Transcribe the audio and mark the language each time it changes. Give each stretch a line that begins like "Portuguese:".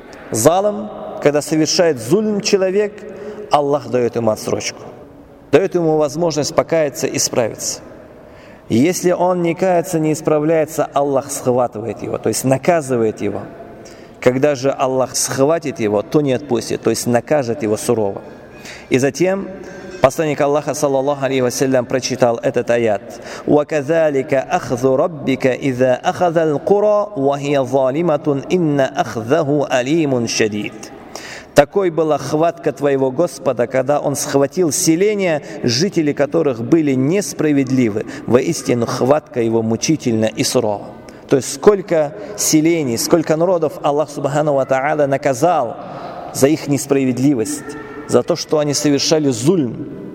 Russian: Залым, когда совершает зульм человек, Аллах дает ему отсрочку, дает ему возможность покаяться и исправиться. Если он не кается, не исправляется, Аллах схватывает его, то есть наказывает его. Когда же Аллах схватит его, то не отпустит, то есть накажет его сурово. И затем посланник Аллаха, саллаллаху алейхи вассалям, прочитал этот аят:
Arabic: وَكَذَلِكَ أَخْذُ رَبِّكَ إِذَا أَخَذَ الْقُرَى وَهِيَ ظَالِمَةٌ إِنَّ أَخْذَهُ أَلِيمٌ شَدِيدٌ.
Russian: Такой была хватка твоего Господа, когда Он схватил селения, жители которых были несправедливы. Воистину, хватка Его мучительна и сурова. То есть, сколько селений, сколько народов Аллах Субхану ва Тааля наказал за их несправедливость, за то, что они совершали зульм.